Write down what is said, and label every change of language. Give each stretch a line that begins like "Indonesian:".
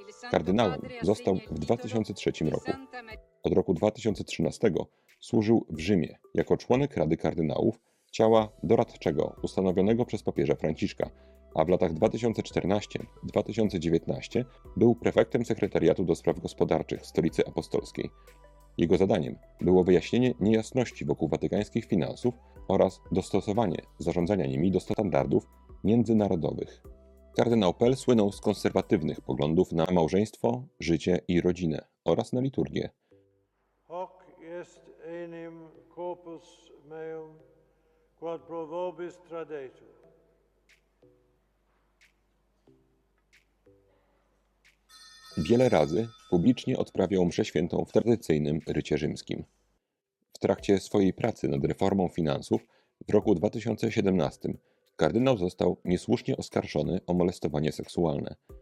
Polish: Kardynałem został w 2003 roku. Od roku 2013 służył w Rzymie jako członek Rady Kardynałów, ciała doradczego ustanowionego przez papieża Franciszka, a w latach 2014-2019 był prefektem Sekretariatu do Spraw Gospodarczych Stolicy Apostolskiej. Jego zadaniem było wyjaśnienie niejasności wokół watykańskich finansów oraz dostosowanie zarządzania nimi do standardów międzynarodowych. Kardynał Pell słynął z konserwatywnych poglądów na małżeństwo, życie i rodzinę oraz na liturgię.
Latin: Hoc est enim corpus meum quod pro vobis tradetur.
Polish: Wiele razy publicznie odprawiał mszę świętą w tradycyjnym rycie rzymskim. W trakcie swojej pracy nad reformą finansów w roku 2017 kardynał został niesłusznie oskarżony o molestowanie seksualne.